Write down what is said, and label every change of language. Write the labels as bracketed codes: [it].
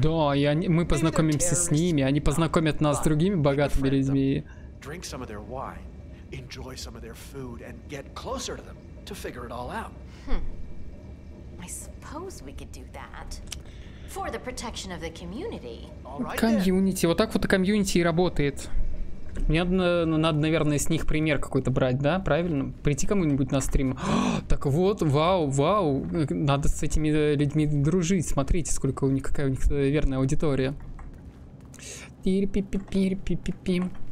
[ru] Да, и они, мы познакомимся с ними, они познакомят нас с другими богатыми людьми. [en] Drink some of their wine, enjoy some of their food, and get closer to them to figure it all out. I suppose we could do that for the protection of the community. [ru] Комьюнити, вот так вот и комьюнити и работает. Мне надо, наверное, с них пример какой-то брать, да, правильно? Прийти кому-нибудь на стрим. Так вот, вау, вау, надо с этими людьми дружить. Смотрите, сколько у них, какая у них верная аудитория. Пирпипирпипипи.